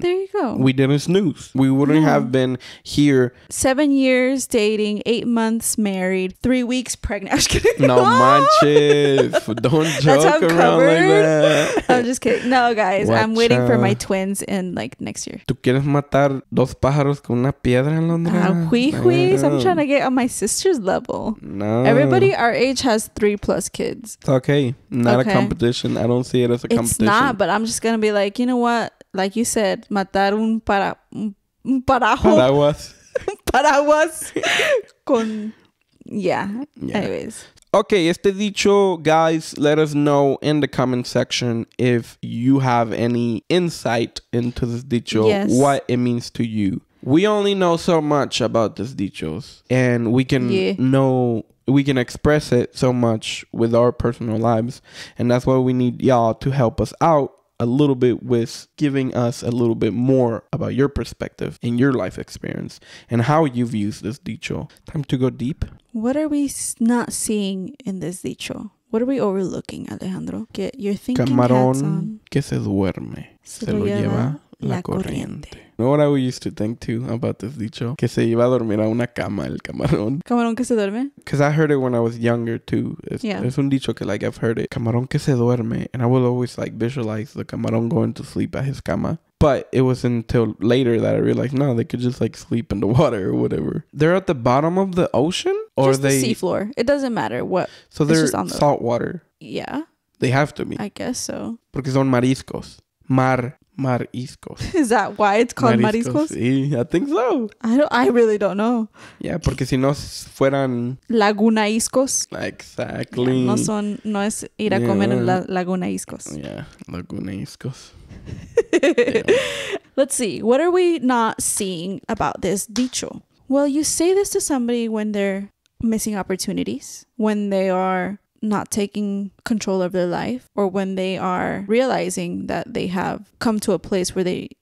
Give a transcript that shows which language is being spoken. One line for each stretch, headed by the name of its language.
English: there you go. We didn't snooze. We wouldn't have been here. 7 years dating, 8 months married, 3 weeks pregnant.
Spanish: No manches.
English: Don't joke around like that. I'm just kidding. No, guys. Watch I'm waiting for my twins in like next year.
Spanish: ¿Tú quieres matar dos pájaros con una piedra en Londres?
English: I'm trying to get on my sister's level. No. Everybody our age has 3+ kids. It's okay. Not a competition. I don't see it as a competition. It's not, but I'm just going to be like, you know what? Like you said,
Spanish: matar un paraguas con
English: anyways. Okay,
Spanish: este dicho,
English: guys, let us know in the comment section if you have any insight into this dicho. Yes. What it means to you. We only know so much about these dichos, and we can we can express it so much with our personal lives, and that's why we need y'all to help us out a little bit with giving us a little bit more about your perspective and your life experience and how you've used this dicho. Time to go deep. What are we not seeing in this dicho? What are we overlooking, Alejandro?
Spanish: Que
English: you're thinking Camarón hats on.
Spanish: Que se duerme, se lo lleva la corriente.
English: You know what I used to think too about this dicho?
Spanish: Que se iba a dormir a una cama el camarón. Camarón que se duerme?
English: Because I heard it when I was younger too. It's
Spanish: un dicho que
English: like I've heard it.
Spanish: Camarón que se duerme.
English: And I will always like visualize the camarón going to sleep at his cama. But it was until later that I realized, no, they could just like sleep in the water or whatever. They're at the bottom of the ocean? Or just they... the seafloor. It doesn't matter what. So they're just on the... salt water. Yeah. They have to be. I guess so.
Spanish: Porque son mariscos. Mariscos.
English: Is that why it's called mariscos? Sí, I think so. I really don't know.
Spanish: Yeah, porque si no fueran... Lagunaiscos.
English: Exactly.
Spanish: Yeah, no es ir a comer en la lagunaiscos.
English: Yeah, lagunaiscos. Let's see. What are we not seeing about this dicho? Well, you say this to somebody when they're missing opportunities, when they are not taking control of their life, or when they are realizing that they have come to a place where they